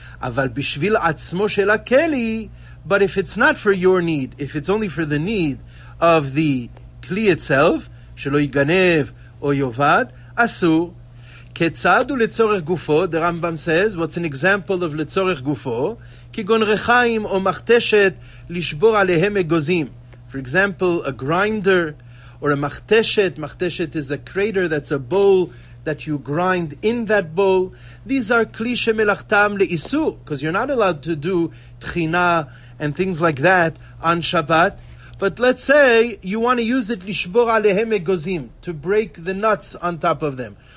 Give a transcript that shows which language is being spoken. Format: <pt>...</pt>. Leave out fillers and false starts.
<he>אבל בשביל עצמו של הכלי,</he> <en>but if it's not for your need, if it's only for the need of the כלי itself,</en> <he>שלא יגנב או יובד, אסור. כיצד הוא לצורך גופו,</he> <en>the Rambam says, what's an example of לצורך גופו?</en> <he>כגון רחיים או מחתשת לשבור עליהם אגוזים.</he> <en>For example, a grinder or a מחתשת. מחתשת is a crater, that's a bowl that you grind in that bowl. These are kli shemelachtam le'isur, because you're not allowed to do tchina and things like that on Shabbat. But let's say you want to use it</en> <he>lishbor alehem egozim,</he> <en>to break the nuts on top of them.</en>